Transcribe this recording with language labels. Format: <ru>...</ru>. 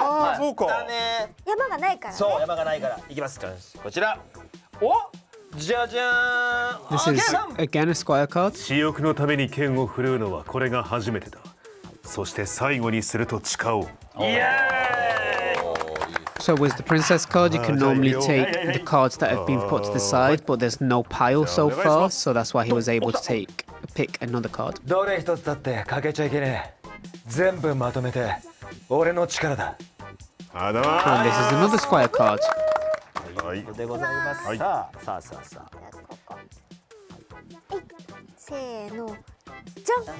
<ja>ああ、そうか。山がないからね。そう、山がないから。行きます。こちら。お。じゃじゃーん。</ja> <en>This is again a squire card.</en> <ja>私欲のために剣を振るうのはこれが初めてだ。そして最後にすると誓おう。</ja> <en>So with the princess card, you can normally take the cards that have been put to the side, but there's no pile so far, so that's why he was able to take pick another card.</en> <ja>どれ一つだって欠けちゃいけねえ。全部まとめて、俺の力だ。</ja> <en>And this is another squire card.</en> <ja>でございます。はい、さあさあさあ。せーの、じゃん。</ja>